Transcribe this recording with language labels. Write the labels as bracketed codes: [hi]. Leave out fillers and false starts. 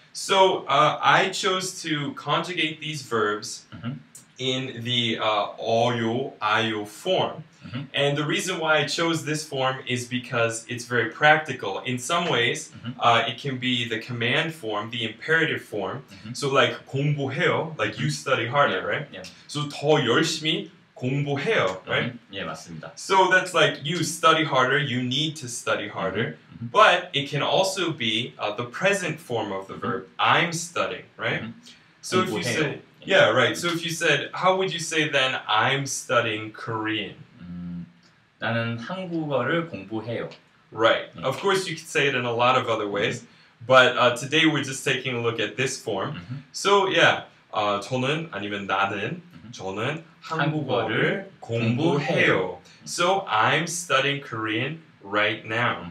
[en] So I chose to conjugate these verbs mm-hmm. in the 어요, 아요 form. Mm-hmm. And the reason why I chose this form is because it's very practical. In some ways, mm-hmm. It can be the command form, the imperative form. Mm-hmm. So like 공부해요, like mm-hmm. you study harder, yeah. right? Yeah. [ko] So 더 열심히 공부해요, mm-hmm. [en] right? [ko] Yeah, 맞습니다. [en] So that's like you study harder, you need to study harder. Mm-hmm. But it can also be the present form of the mm-hmm. verb, I'm studying, right? Mm-hmm. So [ko] 공부해요. [en] If you said, yeah, right. So if you said, how would you say then, I'm studying Korean? [ko] 나는 한국어를 공부해요. [en] Right. Of course, you could say it in a lot of other ways. But today, we're just taking a look at this form. Mm-hmm. [ko] So, yeah. 저는, 아니면 나는, 저는 한국어를 공부해요. [en] So, I'm studying Korean right now.